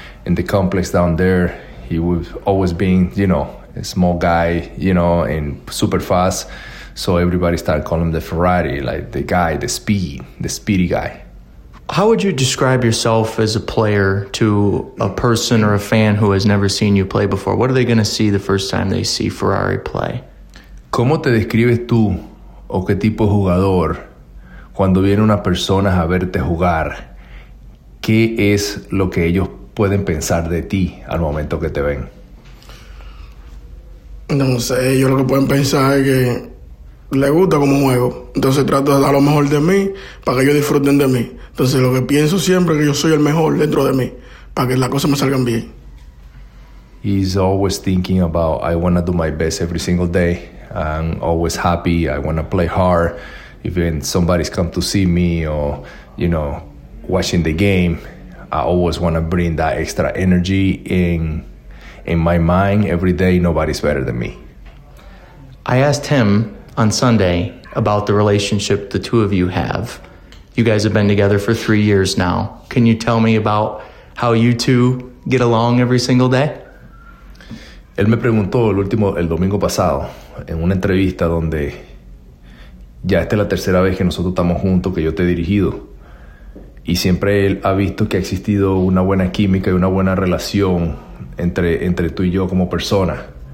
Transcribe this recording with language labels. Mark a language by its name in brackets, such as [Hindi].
[English] In the complex down there, he was always being, you know, a small guy, you know, and super fast. So everybody started calling him the Ferrari, like the guy, the speedy guy. How would you describe yourself as a player to a person or a fan who has never seen you play before? What are they going to see the first time they see Ferrari play? [Spanish] ¿Cómo te describes tú o qué tipo de jugador cuando viene una persona a verte jugar? ¿Qué es lo que ellos pueden pensar de ti al momento que te ven? No sé, ellos lo que pueden pensar es que le gusta como juego. Entonces trato de dar lo mejor de mí para que ellos disfruten de mí. Entonces lo que pienso siempre es que yo soy el mejor dentro de mí para que las cosas me salgan bien. [English] He's always thinking about I want to do my best every single day. I'm always happy. I want to play hard. Even somebody's come to see me or, you know, watching the game, I always want to bring that extra energy in my mind every day. Nobody's better than me. I asked him on Sunday about the relationship the two of you have. You guys have been together for 3 years now. Can you tell me about how you two get along every single day? [Spanish] Él me preguntó el domingo pasado en una entrevista donde ya esta es la tercera vez que nosotros estamos juntos, que yo te he dirigido. Y siempre él ha visto que ha existido una buena química y una buena relación entre tú y yo como persona.